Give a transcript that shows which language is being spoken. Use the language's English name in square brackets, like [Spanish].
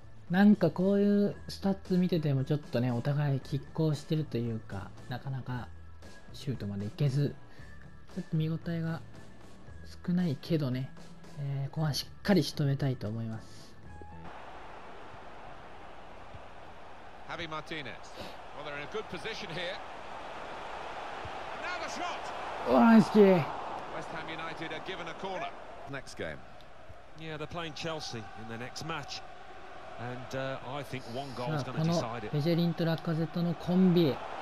[Japanese] なんかこういうスタッツ見ててもちょっとね、お互い拮抗してるというか、なかなかシュートまでいけず、ちょっと見応えが少ないけどね、ここはしっかり仕留めたいと思います。 [English] ハビ・マーティネス、 [Japanese] まあ、 [English] they're in a good position here. Another shot. [Japanese] うわ、ナイスキー。 [English] West Ham United are given a cornerNext game. Yeah, they're playing Chelsea in the next match, and I think one goal is going to decide it. [Japanese] ベジェリンとラカゼットのコンビ。